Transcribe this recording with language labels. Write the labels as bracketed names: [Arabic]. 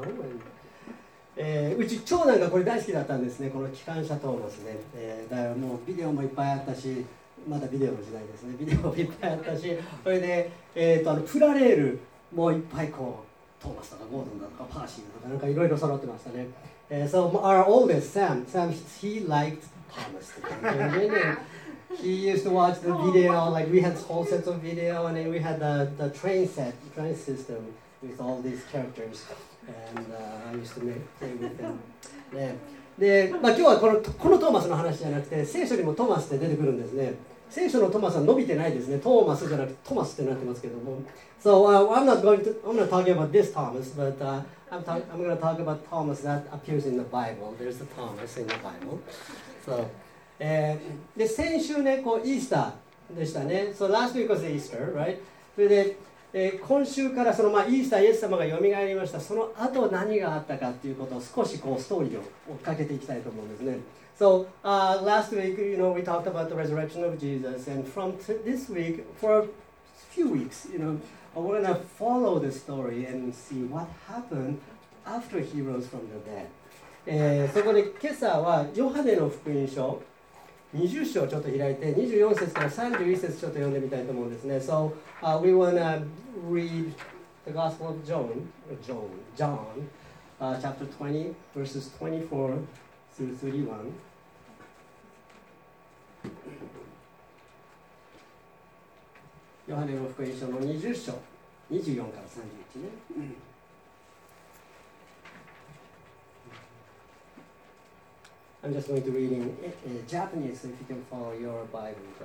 [Japanese] And, うち長男がこれ大好きだったんですね。この機関車トーマスね。だからもうビデオもいっぱいあったし、まだビデオの時代ですね。ビデオもいっぱいあったし、それで、あのプラレールもいっぱいこうトーマスとかゴードンだとかパーシーだとかなんかいろいろ揃ってましたね。 [English] So our oldest Sam, Sam he liked Thomas the Tank Engine. He used to watch the video, like we had whole sets of video, and then we had the train set, train system with all these characters, and I used to make play with them. [Japanese] で、まあ今日はこのトーマスの話じゃなくて、聖書にもトーマスって出てくるんですね。聖書のトーマスは伸びてないですね。トーマスじゃなくてトーマスってなってますけども。 [English] So I'm not talking about this Thomas, but I'm going to talk about Thomas that appears in the Bible. There's a Thomas in the Bible. So. [Japanese] で先週ねこうイースターでしたね。 [English] So last week was Easter, right? [Japanese] それで、今週からその、まあ、イースターイエス様がよみがえりました。その後何があったかっていうことを少しこうストーリーを追っかけていきたいと思うんですね。 [English] So last week, you know, we talked about the resurrection of Jesus, and from this week, for a few weeks, you know, we're gonna follow the story and see what happened after he rose from the dead. [Japanese] そこで今朝はヨハネの福音書20章をちょっと開いて24節から31節ちょっと読んでみたいと思うんですね。 [English] So we wanna read the Gospel of John, chapter 20, verses 24 through 31. [Japanese] ヨハネの福音書の20章24から31ね。 [English] I'm just going to read in Japanese, so if you can follow your Bible.